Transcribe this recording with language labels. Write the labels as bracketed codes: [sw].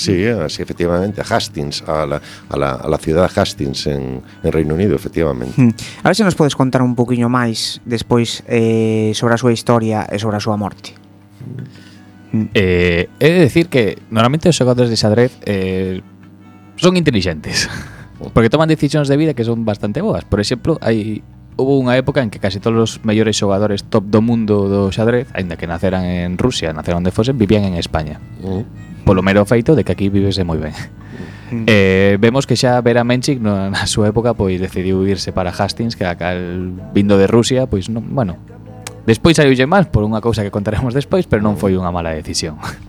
[es] Sí, así efectivamente a Hastings, a la ciudad de Hastings en Reino Unido, efectivamente. [gl] A ver se nos podes contar un poquinho máis despois sobre a súa historia e sobre a súa morte. [es] He de decir que normalmente los jugadores de xadrez son inteligentes porque toman decisiones de vida que son bastante boas. Por ejemplo, hubo una época en que casi todos los mayores jugadores top [gl] do mundo do xadrez, ainda que naceran [es] en Rusia, naceran donde fuesen, vivían en España. Por lo mero feito de que aquí vivese muy bien. [gl] Vemos que xa Vera Menchik na súa época pois decidiu irse para Hastings, que acá vindo de Rusia, pois non, bueno. Despois saiu lle mal por unha cousa que contaremos despois, pero non foi unha mala decisión.